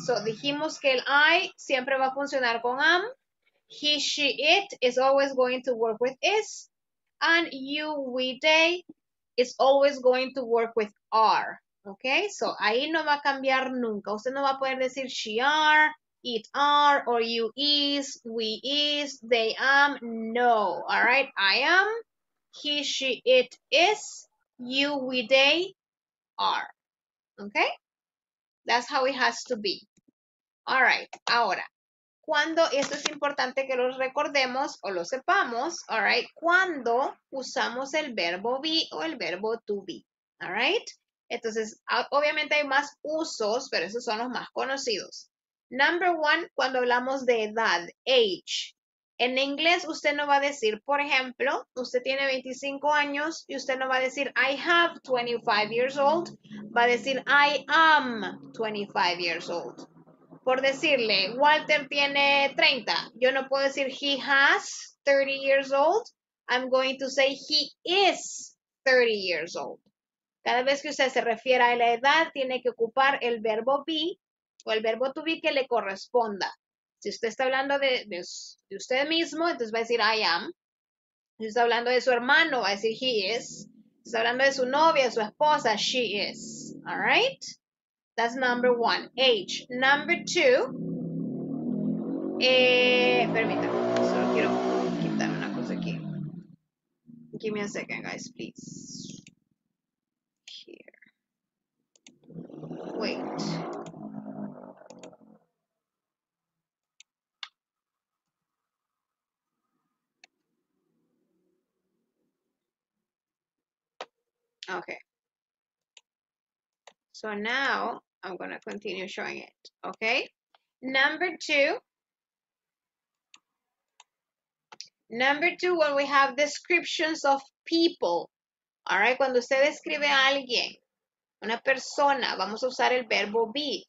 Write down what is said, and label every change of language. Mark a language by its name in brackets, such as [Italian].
[Spanish] So dijimos que el I siempre va a funcionar con am. [English] He, she, it is always going to work with is. And you, we, they is always going to work with are. [Spanish] Okay, so ahí no va a cambiar nunca. Usted no va a poder decir [English] she are, it are, or you is, we is, they am. No, all right? I am, he, she, it is, you, we, they are. Okay? That's how it has to be. All right. [Spanish] Ahora, cuando, esto es importante que lo recordemos o lo sepamos, all right, cuando usamos el verbo be o el verbo to be, all right? Entonces, obviamente hay más usos, pero esos son los más conocidos. [English] Number one, [Spanish] cuando hablamos de edad, age. En inglés, usted no va a decir, por ejemplo, usted tiene 25 años y usted no va a decir, [English] I have 25 years old. [Spanish] Va a decir, [English] I am 25 years old. [Spanish] Por decirle, Walter tiene 30. Yo no puedo decir, [English] he has 30 years old. I'm going to say, he is 30 years old. [Spanish] Cada vez que usted se refiera a la edad, tiene que ocupar el verbo be o el verbo to be que le corresponda. Si usted está hablando de usted mismo, entonces va a decir, [English] I am. [Spanish] Si está hablando de su hermano, va a decir, [English] he is. [Spanish] Si está hablando de su novia, su esposa, [English] she is. [Spanish] All right? [English] That's number one, age. Number two, [Spanish] permítame, solo quiero quitar una cosa aquí. [English] Give me a second, guys, please. Here. Wait. Okay, so now I'm going to continue showing it, okay? Number two, when we have descriptions of people, all right? [Spanish] Cuando usted describe a alguien, una persona, vamos a usar el verbo be.